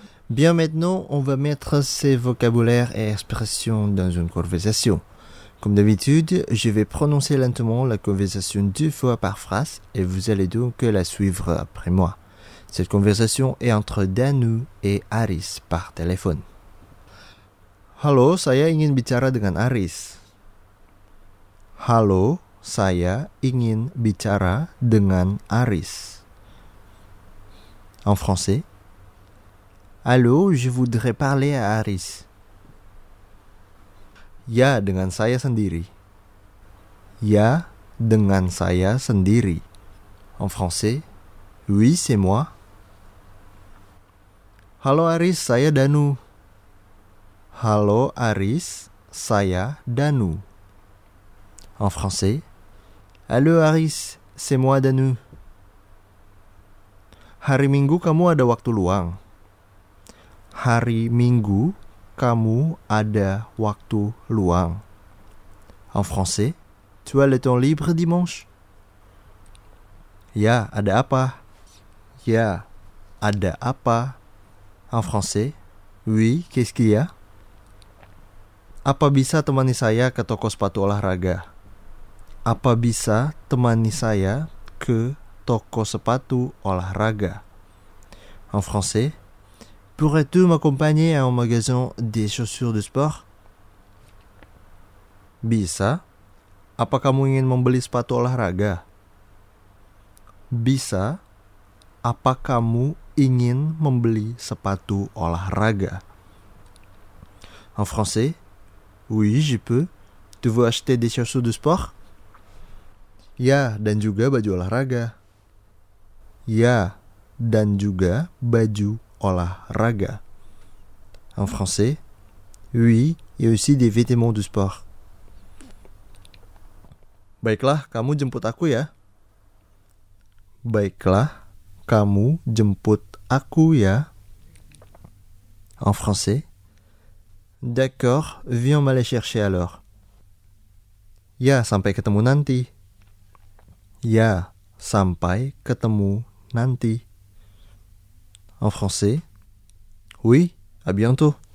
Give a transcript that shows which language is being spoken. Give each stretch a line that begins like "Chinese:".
French: Bien, maintenant, on va mettre ces vocabulaires et expressions dans une conversation. Comme d'habitude, je vais prononcer lentement la conversation deux fois par phrase et vous allez donc la suivre après moi. Cette conversation est entre Danu et Aris par téléphone.
Indonesian: Halo, saya ingin bicara dengan Aris. Halo, saya ingin bicara dengan Aris.
French: En français. Allô, je voudrais parler à Aris.
Indonesian: Ya, dengan saya sendiri. Ya, dengan saya sendiri.
French: En français. Oui, c'est moi.
Indonesian: Halo Aris, saya Danu. Halo Aris, saya Danu.
French: En français. Allô Aris, c'est moi Danu.
Indonesian: Hari Minggu kamu ada waktu luang. Hari Minggu kamu ada waktu luang.
French: En français. Tu as le temps libre dimanche?
Indonesian: Ya, ada apa? Ya, ada apa?
French: En français. Oui, qu'est-ce qu'il y a?
Indonesian: Apa bisa temani saya ke toko sepatu olahraga? Apa bisa temani saya ke toko sepatu olahraga?
French: En français, pourrais-tu m'accompagner à un magasin des chaussures de sport?
Indonesian: Bisa. Apa kamu ingin membeli sepatu olahraga? Bisa. Apa kamu ingin membeli sepatu olahraga?
French: En français, oui, je peux. Tu veux acheter des chaussures de sport?
Indonesian: Ya, dan juga baju olahraga. Ya, dan juga baju olahraga.
French: En français, oui, il y a aussi des vêtements de sport.
Indonesian: Baiklah, kamu jemput aku ya. Baiklah, kamu jemput aku ya.
French: En français. D'accord, viens m'aller chercher alors.
Indonesian: Ya, sampai ketemu nanti. Ya, sampai ketemu nanti.
French: En français. Oui, à bientôt.